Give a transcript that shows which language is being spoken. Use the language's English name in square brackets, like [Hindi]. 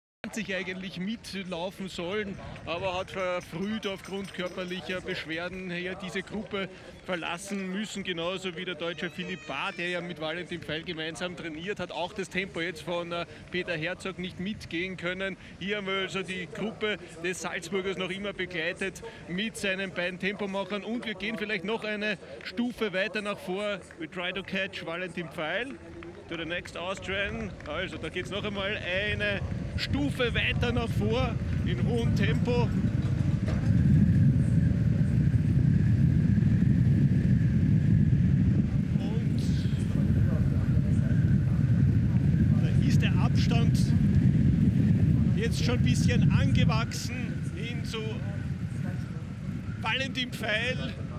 [German] sich eigentlich mitlaufen sollen, aber hat verfrüht aufgrund körperlicher Beschwerden hier diese Gruppe verlassen müssen, genauso wie der deutsche Philipp Barr, der ja mit Valentin Pfeil gemeinsam trainiert hat, auch das Tempo jetzt von Peter Herzog nicht mitgehen können. Hier haben wir also die Gruppe des Salzburgers noch immer begleitet mit seinen beiden Tempomachern und wir gehen vielleicht noch eine Stufe weiter nach vor. [English] We try to catch Valentin Pfeil to the next Austrian. [German] Also da geht es noch einmal eine Stufe weiter nach vor, in hohem Tempo. Und da ist der Abstand jetzt schon ein bisschen angewachsen hin zu Valentin Pfeil.